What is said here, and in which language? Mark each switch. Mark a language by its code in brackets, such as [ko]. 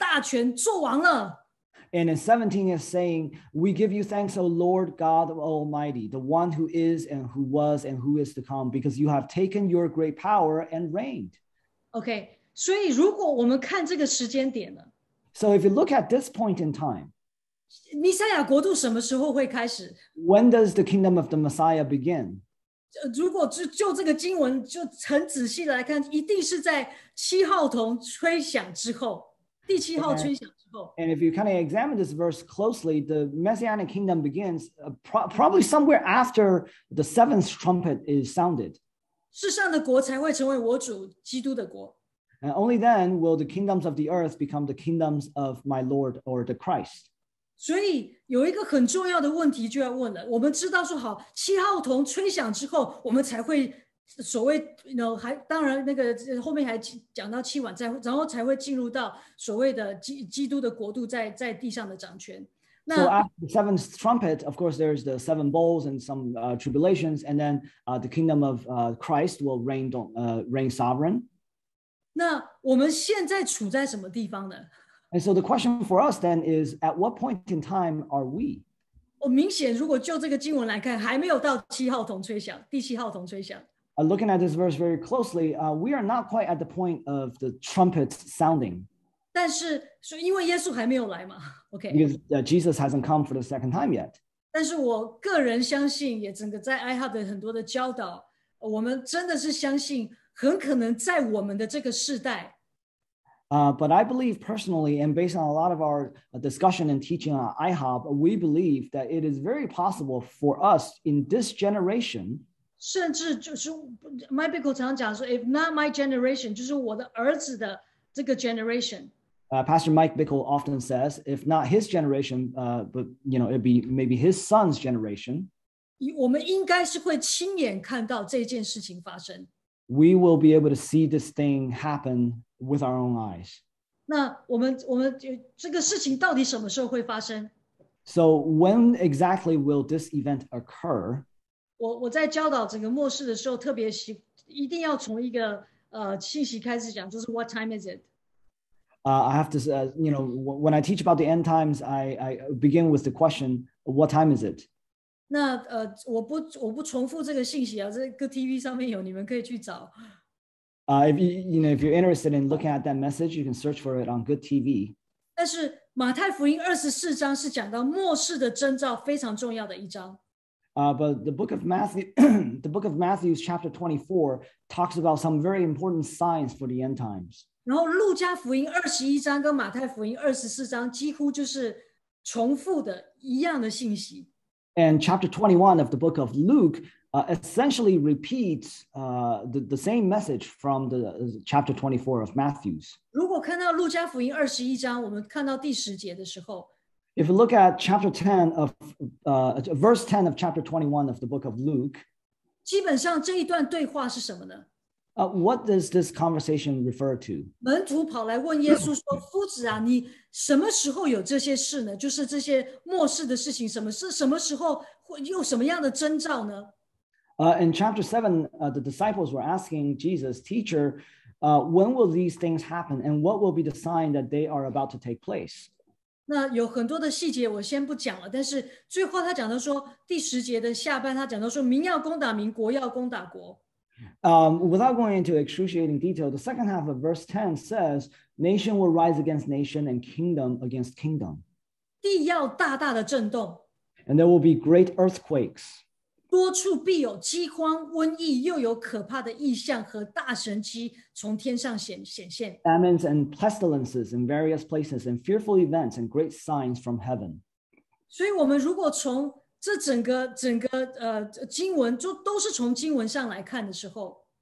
[zh] 对十七节讲到说，昔在今在的主，全能的神啊，我们感谢你，因为你执掌大权，作王了。And [en] in 17 is saying, we give you thanks, O Lord God Almighty, the one who is and who was and who is to come, because you have taken your great power and reigned. [zh] Okay, 所以如果我们看这个时间点呢， [en] So if you look at this point in time, [zh] 弥赛亚国度什么时候会开始? [en] When does the kingdom of the Messiah begin? [zh] 如果就这个经文就很仔细来看，一定是在七号铜吹响之后，第七号吹响之后。 [en] And if you kind of examine this verse closely, the Messianic kingdom begins probably somewhere after the seventh trumpet is sounded. [zh] 世上的国才会成为我主基督的国。 [en] And only then will the kingdoms of the earth become the kingdoms of my Lord or the Christ. [zh] 所以有一个很重要的问题就要问了。我们知道说好，七号铜吹响之后，我们才会所谓 [en] you know, [zh] 还当然那个后面还讲到七晚再，然后才会进入到所谓的基督的国度在地上的掌权。 [en] 那 So after the seventh trumpet, of course, there's the seven bowls and some tribulations, and then the kingdom of Christ will reign sovereign. [zh] 那我们现在处在什么地方呢? [en] And so the question for us then is, at what point in time are we? [zh] 我明显如果就这个经文来看，还没有到七号铜吹响，第七号铜吹响。 [en] Looking at this verse very closely, we are not quite at the point of the trumpet sounding. [zh] 但是，所以因为耶稣还没有来嘛，okay. [en] Because Jesus hasn't come for the second time yet. [zh] 但是我个人相信，也整个在 iHub 的很多的教导，我们真的是相信很可能在我们的这个世代。 [en] But I believe personally, and based on a lot of our discussion and teaching on iHub, we believe that it is very possible for us in this generation. [zh] 甚至就是 My Bible 常常讲说 [en] if not my generation, [zh] 就是我的儿子的这个 generation. [en] Pastor Mike Bickle often says, if not his generation, but you know, it'd be maybe his son's generation. [zh] 我们应该是会亲眼看到这件事情发生。 [en] We will be able to see this thing happen with our own eyes. [zh] 那我们这个事情到底什么时候会发生? [en] So when exactly will this event occur? [zh] 我在教导整个末世的时候特别一定要从一个信息开始讲，就是 [en] what time is it? I have to say, you know, when I teach about the end times, I begin with the question, what time is it? [zh] 那我不重复这个信息啊，这个 TV 上面有，你们可以去找。 [en] If you're interested in looking at that message, you can search for it on Good TV. [zh] 但是马太福音二十四章是讲到末世的征兆非常重要的一章。 [en] But the book of Matthew, the book of Matthew, chapter 24, talks about some very important signs for the end times. [zh] 然后路加福音二十一章跟马太福音二十四章几乎就是重复的一样的信息。 [en] And chapter 21 of the book of Luke essentially repeats the same message from the chapter 24 of Matthew's. [zh] 如果看到路加福音二十一章，我们看到第十节的时候 [en] ，If you look at chapter 10 of verse 10 of chapter 21 of the book of Luke, [zh] 基本上这一段对话是什么呢？ [en] What does this conversation refer to? [zh] 门徒跑来问耶稣说：“夫子啊，你什么时候有这些事呢？就是这些末世的事情，什么时候会有什么样的征兆呢？” [en] In chapter 7, the disciples were asking Jesus, "Teacher, when will these things happen, and what will be the sign that they are about to take place?" [zh] 那有很多的细节我先不讲了，但是最后他讲到说，第十节的下半他讲到说，民要攻打民，国要攻打国。 [en] Without going into excruciating detail, the second half of verse 10 says, nation will rise against nation and kingdom against kingdom. [zh] 地要大大的震动。 [en] And there will be great earthquakes. [zh] 多处必有饥荒、瘟疫，又有可怕的异象和大神迹从天上显现。 [en] Famines and pestilences in various places and fearful events and great signs from heaven. [zh] 所以我们如果从这整个经文就都是从经文上来看的时候。